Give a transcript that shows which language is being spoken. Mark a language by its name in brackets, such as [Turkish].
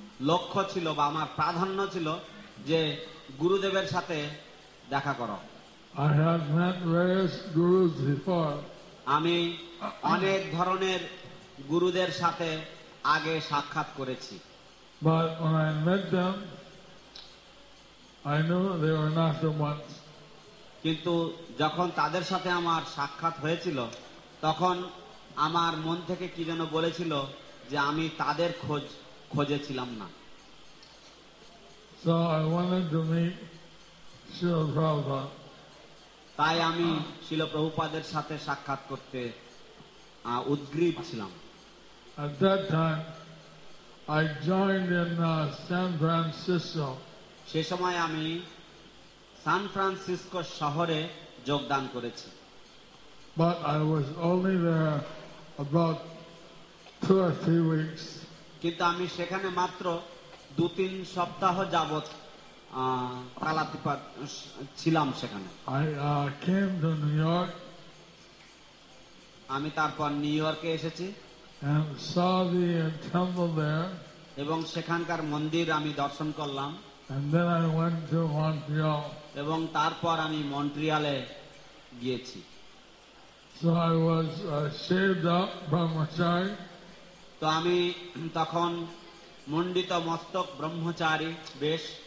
[Bangla] লক্ষ্য ছিল বা আমার প্রাধান্য ছিল যে গুরুদেবের সাথে দেখা করো। [English] I have met various gurus before. [Bangla] আমি অনেক ধরনের গুরুদের সাথে আগে সাক্ষাৎ করেছি। [English] But when I met them, I knew they were not the ones. [Bangla] কিন্তু যখন তাদের সাথে আমার সাক্ষাৎ হয়েছিল তখন আমার মন থেকে কি যেন বলেছিল যে আমি তাদের খোঁজ খুঁজেছিলাম না। [English] So I wanted to meet Srila Prabhupada. [Bangla] তাই আমি শ্রীল প্রভুপাদের সাথে সাক্ষাৎ করতে উদগ্রীব ছিলাম। [English] At that time, I joined in San Francisco. [Bangla] সে সময় আমি সান ফ্রান্সিসকো শহরে যোগদান করেছি। [English] But I was only there about 2 or 3 weeks. [Bangla] কিন্তু আমি সেখানে মাত্র 2-3 সপ্তাহ যাবৎ কালাতিপাত ছিলাম সেখানে। [English] I came to New York. [Bangla] আমি তারপর নিউ ইয়র্কে এসেছি [English] and saw the temple there. [Bangla] এবং সেখানকার মন্দির আমি দর্শন করলাম [English] and then I went to Montreal. [Bangla] এবং তারপর আমি মন্ট্রিয়ালে গিয়েছি। [English] So I was shaved up brahmachari. [Bangla] তো আমি তখন মুণ্ডিত মস্তক ব্রহ্মচারী বেশ।